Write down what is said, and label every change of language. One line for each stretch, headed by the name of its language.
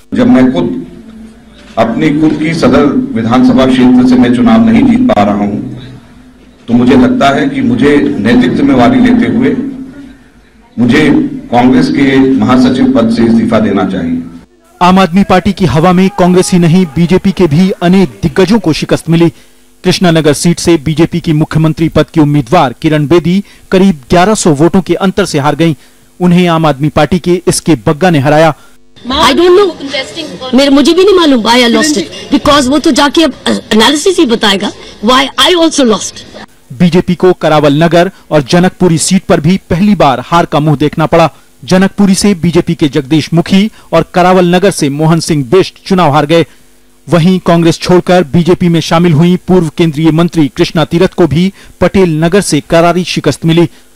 Hindi: जब मैं खुद अपनी की सदर विधानसभा क्षेत्र से मैं चुनाव नहीं जीत पा रहा हूं, तो मुझे लगता है कि मुझे नैतिक जिम्मेवारी लेते हुए मुझे कांग्रेस के महासचिव पद से इस्तीफा देना चाहिए। आम आदमी पार्टी की हवा में कांग्रेस ही नहीं बीजेपी के भी अनेक दिग्गजों को शिकस्त मिली। कृष्णनगर सीट से बीजेपी की मुख्यमंत्री पद की उम्मीदवार किरण बेदी करीब 1100 वोटों के अंतर से हार गईं। उन्हें आम आदमी पार्टी के एसके बग्गा ने हराया।
English: I don't know,
Hindi: मेरे मुझे भी नहीं मालूम
English: why I lost it, because
Hindi: वो तो जाके अब
English: analysis
Hindi: ही बताएगा
English: why I also lost।
Hindi: BJP को करावल नगर और जनकपुरी सीट पर भी पहली बार हार का मुंह देखना पड़ा। जनकपुरी से बीजेपी के जगदीश मुखी और करावल नगर से मोहन सिंह बिष्ट चुनाव हार गए। वहीं कांग्रेस छोड़कर बीजेपी में शामिल हुई पूर्व केंद्रीय मंत्री कृष्णा तीरथ को भी पटेल नगर से करारी शिकस्त मिली।